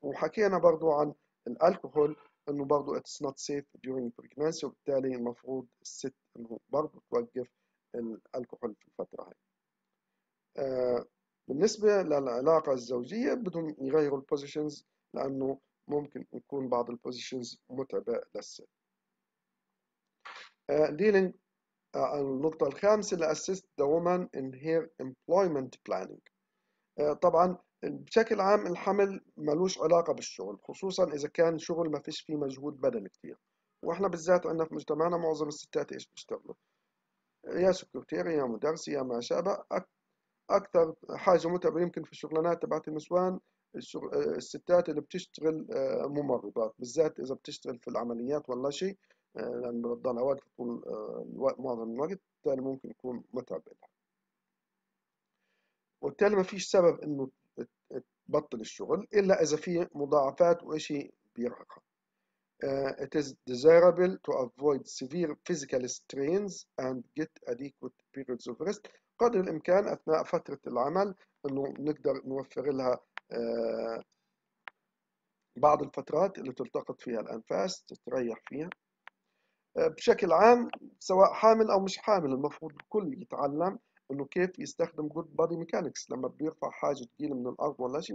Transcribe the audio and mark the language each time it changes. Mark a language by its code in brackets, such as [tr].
[ar] وحكينا برضو عن الالكوهول انه برضو [en] it's not safe during pregnancy, [ar] وبالتالي المفروض الست انه برضو توقف الالكوهول في الفتره هاي. بالنسبه للعلاقه الزوجيه بدهم يغيروا البوزيشنز، لانه ممكن يكون بعض البوزيشنز متعبه للست. ديلينج النقطة الخامسة، [en] assist the woman in her employment planning. [ar] طبعا بشكل عام الحمل ملوش علاقة بالشغل، خصوصا إذا كان شغل ما فيش فيه مجهود بدني كتير، وإحنا بالذات عندنا في مجتمعنا معظم الستات إيش بيشتغلوا، يا سكرتيري يا مدرسي يا ما شابه. أكثر حاجة متعبة يمكن في الشغلانات تبعت النسوان الستات اللي بتشتغل ممرضات، بالذات إذا بتشتغل في العمليات ولا شيء، لأن بتضلها واقفة طول معظم الوقت، بالتالي ممكن يكون متعب لها. وبالتالي ما فيش سبب إنه تبطل الشغل إلا إذا في مضاعفات وإشي بيرهقها. [en] It is desirable to avoid severe physical strains and get adequate periods of rest. [ar] قدر الإمكان أثناء فترة العمل إنه نقدر نوفر لها بعض الفترات اللي تلتقط فيها الأنفاس تتريح فيها. بشكل عام سواء حامل او مش حامل المفروض الكل يتعلم انه كيف يستخدم [en] good body mechanics [ar] لما بيرفع حاجه ثقيله من الارض ولا شيء.